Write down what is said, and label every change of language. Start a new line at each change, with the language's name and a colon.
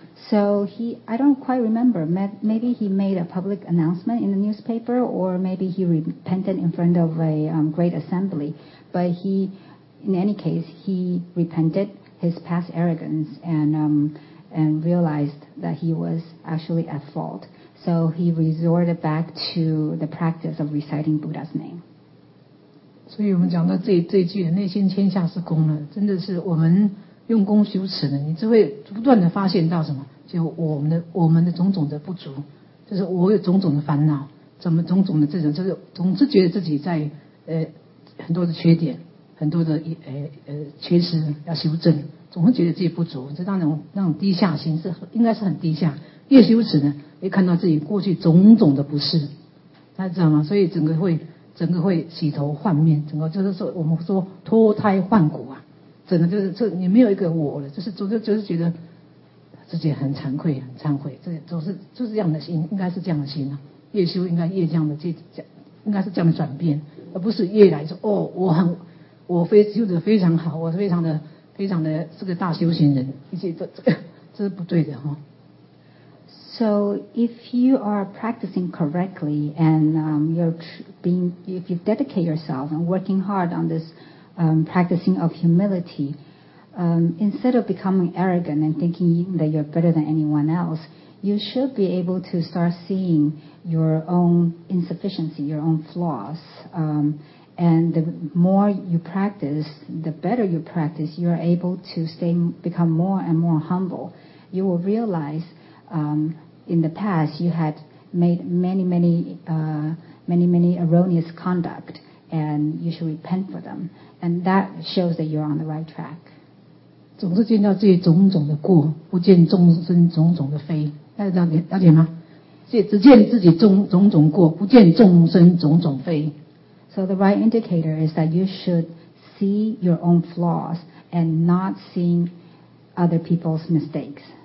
English: So he, I don't quite remember, maybe he made a public announcement in the newspaper, or maybe he repented in front of a great assembly. But he, in any case, he repented his past arrogance and realized that he was actually at fault. So he resorted back to the practice of reciting Buddha's name.
Chinese: 所以我们讲到这一句的内心谦下是功了，真的是我们用功修持呢，你就会不断的发现到什么，就我们的种种的不足，就是我有种种的烦恼，怎么种种的这种，就是总是觉得自己在很多的缺点，很多的缺失要修正，总是觉得自己不足，就那种低下心是应该是很低下，越修持呢。也看到自己过去种种的不是，他知道吗？所以整个会洗头换面，整个就是说我们说脱胎换骨啊，整个就是这也没有一个我了，就是总是觉得自己很惭愧，很忏悔，这总是就是这样的心，应该是这样的心啊。越修应该越这样的，应该是这样的转变，而不是越来说哦，我修得非常好，我非常的是个大修行人，一切这是不对的哈。
English: So if you are practicing correctly and if you dedicate yourself and working hard on this practicing of humility, instead of becoming arrogant and thinking that you're better than anyone else, you should be able to start seeing your own insufficiency, your own flaws. And the more you practice, the better you practice, you're able to become more and more humble. You will realize... In the past, you had made many erroneous conduct, and you should repent for them. And that shows that you're on the right track.
Chinese: 总是见到自己种种的过，不见众生种种的非。大家了解吗？只见自己种种过，不见众生种种非。
English: So the right indicator is that you should see your own flaws and not seeing other people's mistakes.